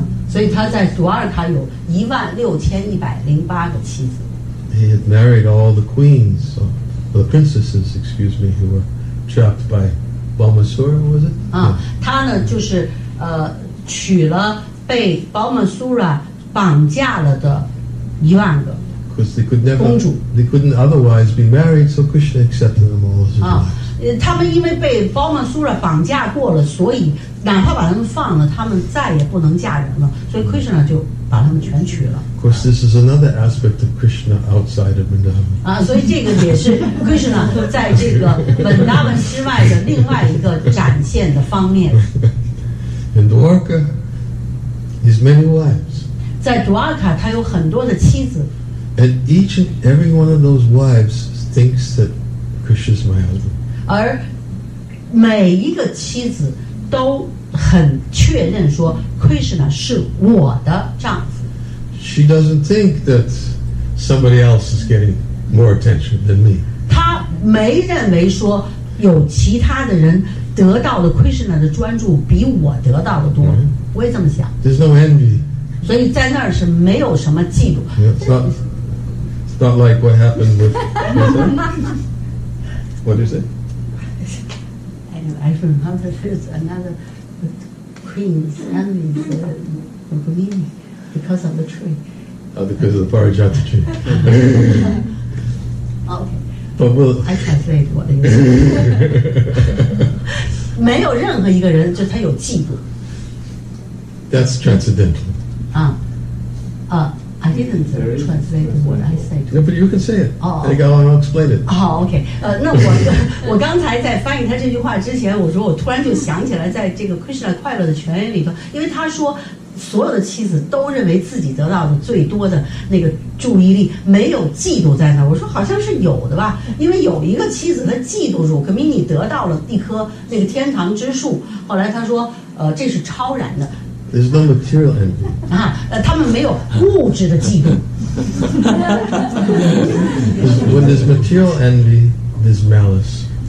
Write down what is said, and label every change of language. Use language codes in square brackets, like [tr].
[zh] 所以他在杜瓦尔卡有16,108个妻子。 [en] He had married all the queens, or the princesses, excuse me, who were trapped by. Balmasura was it? [zh] 啊，他呢就是娶了被 Balmasura 绑架了的一万个。 [en] Because they could never [zh] 公主 [en] ，they couldn't otherwise be married, so Krishna accepted them all as wives. [zh] 啊，他们因为被 Balmasura 绑架过了，所以哪怕把他们放了，他们再也不能嫁人了，所以 Krishna 就把他们全娶了。 [en] Of course, this is another aspect of Krishna outside of Vrindavan. [zh] 啊，所以这个也是 Krishna 在这个 Vrindavan 之外的另外一个展现的方面。 [en] In Dwarka, his many wives. [zh] 在 Dwarka, 他有很多的妻子。 [en] And each and every one of those wives thinks that Krishna is my husband. [zh] 而每一个妻子都很确认说 Krishna 是我的丈夫。 [en] She doesn't think that somebody else is getting more attention than me. [zh] 她没认为说有其他的人得到了 Krishna 的专注比我得到的多。我也这么想。 [en] There's no envy. [zh] 所以在那儿是没有什么嫉妒。 [en] It's not like what happened with. What is it? Anyway, I remember there's another queen's envy for me. Because of the tree. Oh, because of the parijata tree. Okay. But we'll... I translate what they say. [zh] 没有任何一个人就他有嫉妒。 [en] That's transcendental. I didn't translate what I said. No, but you can say it. Oh. I got to explain it. Oh, okay. [zh] 那我我刚才在翻译他这句话之前，我说我突然就想起来，在这个 Krishna 快乐的泉源里头，因为他说。所有的妻子都认为自己得到的最多的那个注意力没有嫉妒在那儿。我说好像是有的吧，因为有一个妻子她嫉妒说：“可米你得到了一棵那个天堂之树。”后来她说：“这是超然的， [en] There's no material envy. [zh] 他们没有物质的嫉妒。 [en] When there's material envy, there's malice.